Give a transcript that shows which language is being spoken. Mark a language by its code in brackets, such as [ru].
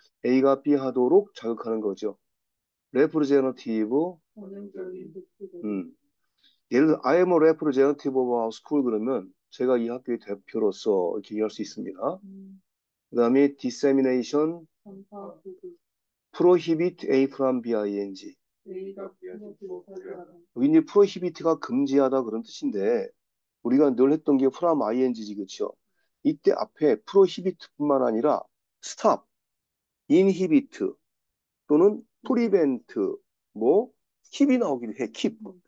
[ko] A가 B 하도록 자극하는 거죠. [en] representative, [ko] 원형적인 예를 들어, [en] I am a representative of our school [ko] 그러면, 제가 이 학교의 대표로서 이렇게 얘기할 수 있습니다. [en] 그 다음에 dissemination, prohibit A from B-I-N-G. [ko] 메인과 비교적 못하더라도 여기 이제 prohibit가 금지하다 그런 뜻인데, 우리가 늘 했던 게 from I-N-G지, 그쵸? 이때 앞에 prohibit뿐만 아니라 stop, inhibit, 또는 prevent, 뭐, keep이 나오기도 해, keep.